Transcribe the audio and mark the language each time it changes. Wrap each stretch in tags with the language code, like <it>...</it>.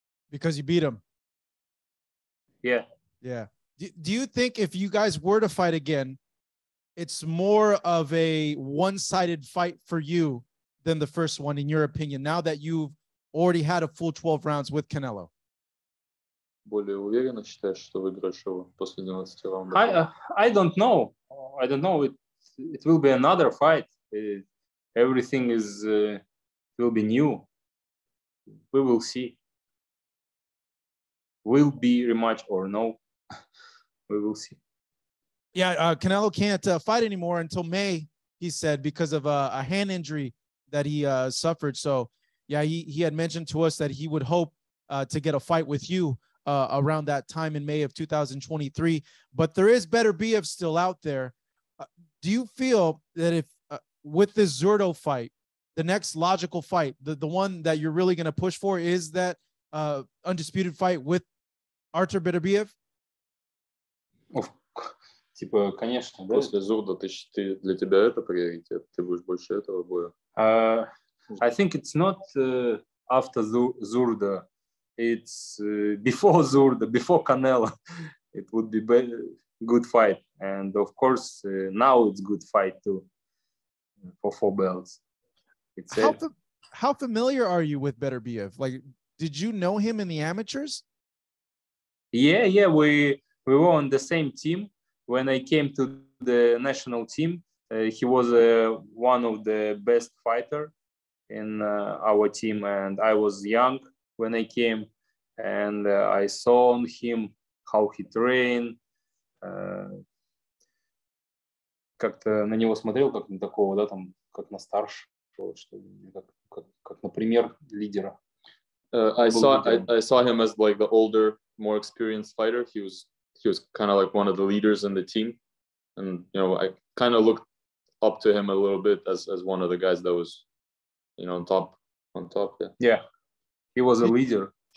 <en>Because you beat him. Yeah. Yeah. Do you think if you guys were to fight again, it's more of a one-sided fight for you than the first one, in your opinion, now that you've already had a full 12 rounds with Canelo?</en> <ru>Более уверенно считаешь, что выиграешь его после 12 раундов?</ru> <en>I don't know. I don't know. It will be another fight. Everything is will be new. We will see. Will be rematch or no? We will see. Yeah, Canelo can't fight anymore until May, he said, because of a hand injury that he suffered. So, yeah, he had mentioned to us that he would hope to get a fight with you around that time in May of 2023. But there is Beterbiev still out there. Do you feel that if with this Zurdo fight, the next logical fight, the one that you're really going to push for, is that undisputed fight with Artur Beterbiev?</en> <ru>Oof. Типа, конечно, да? После Зурдо ты для тебя это приоритет, ты будешь больше этого боя.</ru> <en>I think it's not after Зурдо, it's before Зурдо, before Canelo. It would be good fight, and of course now it's good fight too for four belts. It's how familiar are you with Beterbiev? Like, did you know him in the amateurs? Yeah, we were on the same team. When I came to the national team, he was one of the best fighters in our team. And I was young when I came, and I saw on him how he trained.</en> <ru>Как-то на него смотрел, как на такого, да, там, как на старшего, что ли, как на пример лидера.</ru> <en>I saw him as like the older, more experienced fighter. He was kind of like one of the leaders in the team. And, you know, I kind of looked up to him a little bit as one of the guys that was, you know, on top. Yeah. Yeah. He was a leader.</en>